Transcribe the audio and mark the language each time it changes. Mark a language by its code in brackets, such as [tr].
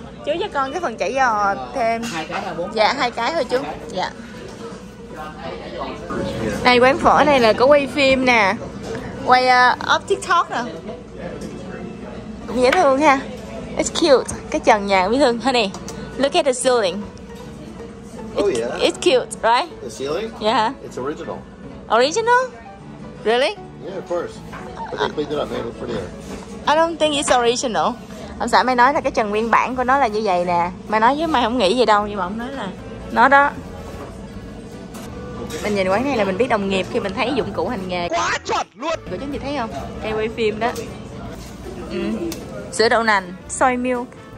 [vi] Chú cho con cái phần chảy giò thêm. Hai cái là 4. Dạ, hai cái thôi chú. Dạ. Này quán phở này là có quay phim nè. Quay off TikTok nè. Cũng dễ thương ha. [en] It's cute. [vi] Cái trần nhà cũng dễ thương. [en] Honey, look at the ceiling. Oh yeah. It's cute, right? The ceiling? Yeah. It's original. Original? Really? Yeah, of course. But they cleaned it up, made it prettier. I don't think it's original. [vi] Ông xã mày nói là cái trần nguyên bản của nó là như vậy nè. Mày nói với mày không nghĩ gì đâu, nhưng mà ông nói là nó đó. Mình nhìn quán này là mình biết đồng nghiệp khi mình thấy dụng cụ hành nghề. Quá chuẩn luôn. Cô chú chị thấy không? Cây quay phim đó. Sữa đậu nành, soy milk.